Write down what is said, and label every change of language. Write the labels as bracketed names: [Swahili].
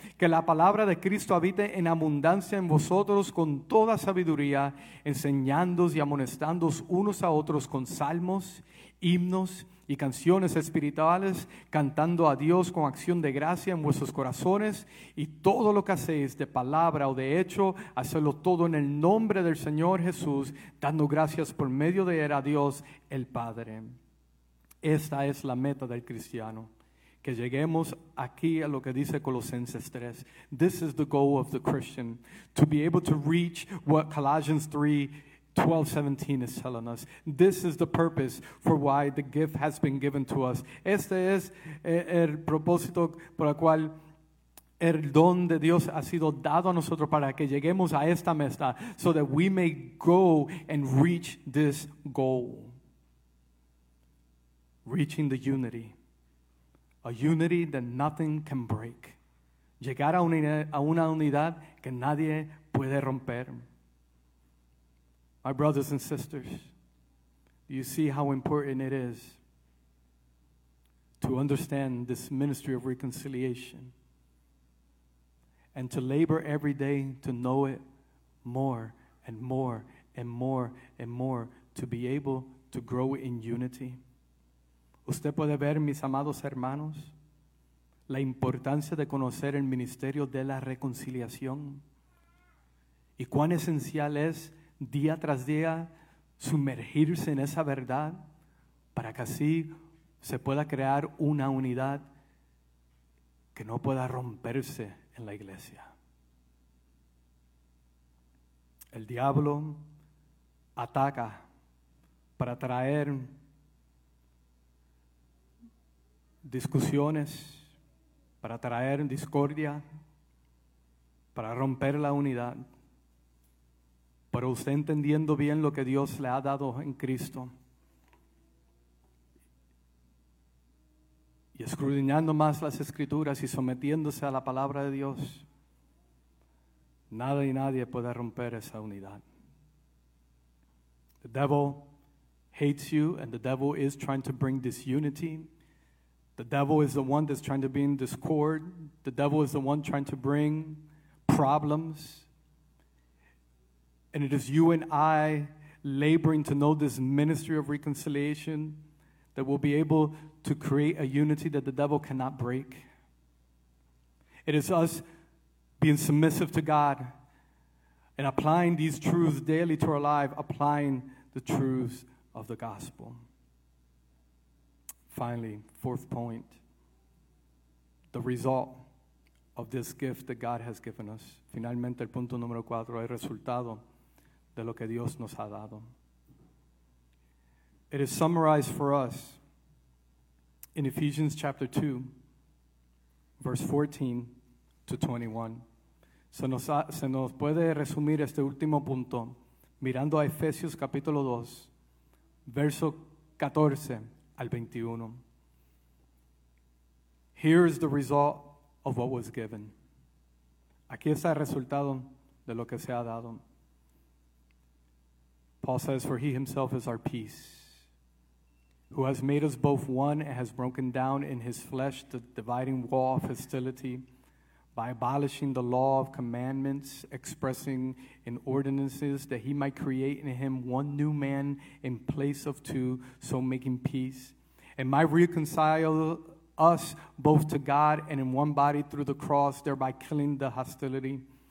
[Spanish] Que la palabra de Cristo habite en abundancia en vosotros con toda sabiduría, enseñándoos y amonestándoos unos a otros con salmos, himnos y canciones espirituales, cantando a Dios con acción de gracia en vuestros corazones, y todo lo que hacéis de palabra o de hecho, hacedlo todo en el nombre del Señor Jesús, dando gracias por medio de él a Dios el Padre. Esta es la meta del cristiano. Que lleguemos aquí a lo que dice Colosenses 3. [English] This is the goal of the Christian, to be able to reach what Colossians 3, 12, 17 is telling us. This is the purpose for why the gift has been given to us. [Spanish] Este es el propósito por el cual el don de Dios ha sido dado a nosotros, para que lleguemos a esta meta, [English] so that we may go and reach this goal. Reaching the unity. A unity that nothing can break. [Spanish] Llegar a una unidad que nadie puede romper. [English] My brothers and sisters, do you see how important it is to understand this ministry of reconciliation and to labor every day to know it more and more and more and more, to be able to grow in unity? [Spanish] Usted puede ver, mis amados hermanos, la importancia de conocer el ministerio de la reconciliación y cuán esencial es día tras día sumergirse en esa verdad, para que así se pueda crear una unidad que no pueda romperse en la iglesia. El diablo ataca para traer discusiones, para traer discordia, para romper la unidad. Pero usted, entendiendo bien lo que Dios le ha dado en Cristo y escudriñando más las Escrituras y sometiéndose a la palabra de Dios, nada y nadie puede romper esa unidad. [English] The devil hates you, and the devil is trying to bring disunity. The devil is the one that's trying to bring discord. The devil is the one trying to bring problems. And it is you and I laboring to know this ministry of reconciliation that will be able to create a unity that the devil cannot break. It is us being submissive to God and applying these truths daily to our life, applying the truths of the gospel. Finally, fourth point, the result of this gift that God has given us. [Spanish] Finalmente, el punto número cuatro, el resultado de lo que Dios nos ha dado. [English] It is summarized for us in Ephesians chapter 2, verse 14 to 21. [Spanish] Se nos puede resumir este último punto mirando a Efesios capítulo 2, verso 14 al 21. [English] Here is the result of what was given. [Spanish] Aquí está el resultado de lo que se ha dado. [English] Paul says, for he himself is our peace, who has made us both one and has broken down in his flesh the dividing wall of hostility by abolishing the law of commandments, expressing in ordinances, that he might create in him one new man in place of two, so making peace, and might reconcile us both to God and in one body through the cross, thereby killing the hostility.